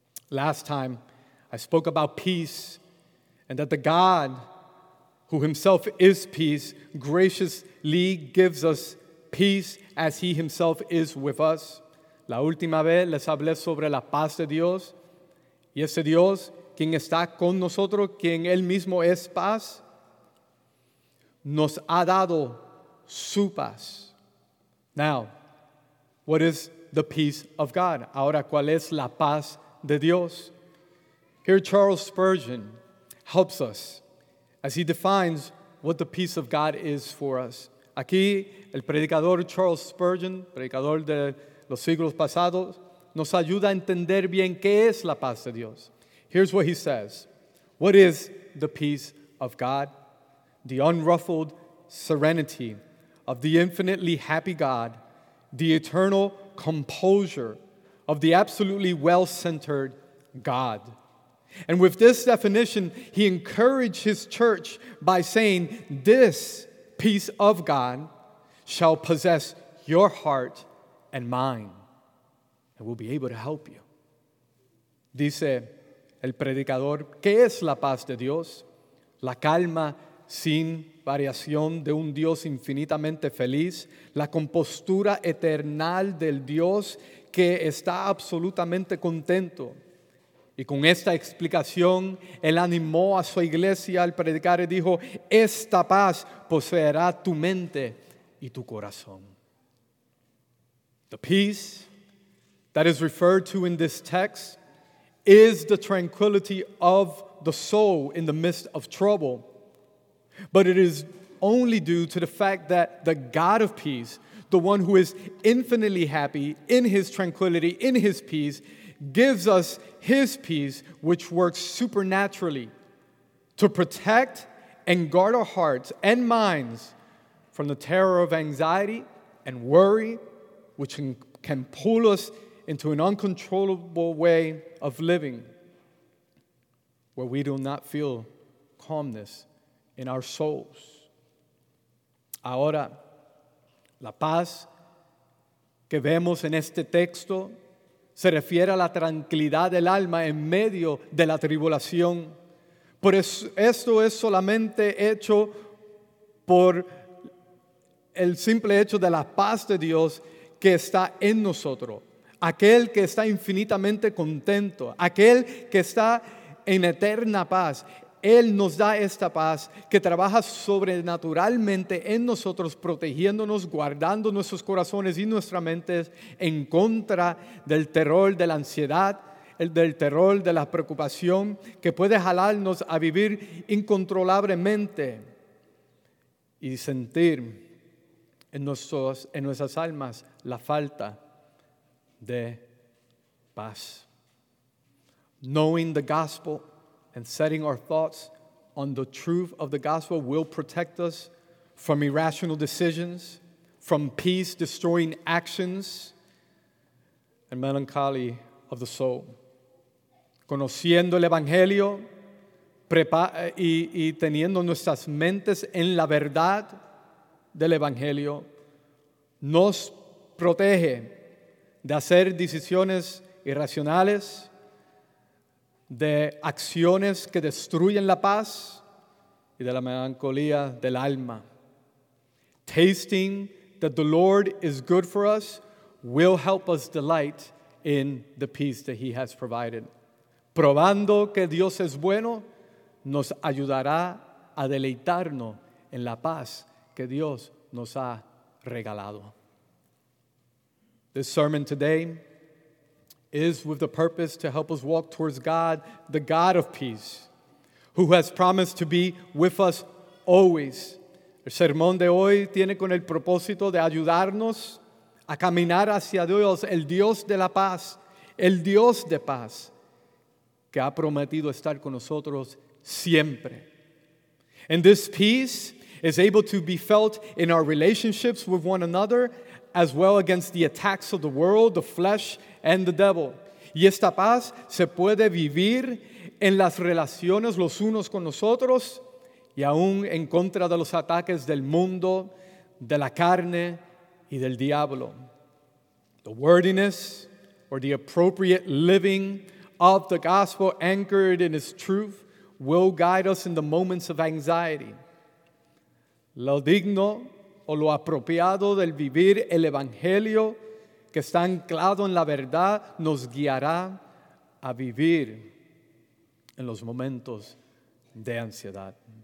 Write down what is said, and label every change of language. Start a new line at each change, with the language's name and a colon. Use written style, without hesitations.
English: Last time, I spoke about peace and that the God who himself is peace graciously gives us peace as he himself is with us.
Spanish: La última vez les hablé sobre la paz de Dios y ese Dios, quien está con nosotros, quien él mismo es paz, nos ha dado su paz.
English: Now, what is the peace of God?
Spanish: Ahora, ¿cuál es la paz de Dios?
English: Here Charles Spurgeon helps us as he defines what the peace of God is for us.
Spanish: Aquí, el predicador Charles Spurgeon, predicador de los siglos pasados, nos ayuda a entender bien qué es la paz de Dios.
English: Here's what he says. What is the peace of God? The unruffled serenity of the infinitely happy God, the eternal composure of the absolutely well-centered God. And with this definition, he encouraged his church by saying, this peace of God shall possess your heart and mind, and will be able to help you.
Spanish: Dice el predicador, ¿qué es la paz de Dios? La calma sin variación de un Dios infinitamente feliz, la compostura eterna del Dios que está absolutamente contento. Y con esta explicación, él animó a su iglesia al predicar y dijo, esta paz poseerá tu mente y tu corazón.
English: The peace that is referred to in this text is the tranquility of the soul in the midst of trouble. But it is only due to the fact that the God of peace, the one who is infinitely happy in his tranquility, in his peace, gives us his peace, which works supernaturally to protect and guard our hearts and minds from the terror of anxiety and worry, which can pull us into an uncontrollable way of living where we do not feel calmness in our souls.
Spanish: Ahora, la paz que vemos en este texto se refiere a la tranquilidad del alma en medio de la tribulación. Por eso, esto es solamente hecho por el simple hecho de la paz de Dios que está en nosotros. Aquel que está infinitamente contento, aquel que está en eterna paz, él nos da esta paz que trabaja sobrenaturalmente en nosotros, protegiéndonos, guardando nuestros corazones y nuestras mentes en contra del terror de la ansiedad, el del terror de la preocupación que puede jalarnos a vivir incontrolablemente y sentir en nuestras almas la falta de paz.
English: Knowing the gospel and setting our thoughts on the truth of the gospel will protect us from irrational decisions, from peace-destroying actions, and melancholy of the soul.
Spanish: Conociendo el Evangelio y teniendo nuestras mentes en la verdad del Evangelio, nos protege de hacer decisiones irracionales, de acciones que destruyen la paz y de la melancolía del alma.
English: Tasting that the Lord is good for us will help us delight in the peace that he has provided.
Spanish: Probando que Dios es bueno nos ayudará a deleitarnos en la paz que Dios nos ha regalado.
English: This sermon today is with the purpose to help us walk towards God, the God of peace, who has promised to be with us always.
Spanish: El sermón de hoy tiene con el propósito de ayudarnos a caminar hacia Dios, el Dios de la paz, el Dios de paz, que ha prometido estar con nosotros siempre.
English: And this peace is able to be felt in our relationships with one another, as well against the attacks of the world, the flesh, and the devil.
Spanish: Y esta paz se puede vivir en las relaciones los unos con los otros, y aún en contra de los ataques del mundo, de la carne, y del diablo.
English: The wordiness, or the appropriate living of the gospel anchored in its truth, will guide us in the moments of anxiety.
Spanish: Lo digno, o lo apropiado del vivir el evangelio que está anclado en la verdad, nos guiará a vivir en los momentos de ansiedad.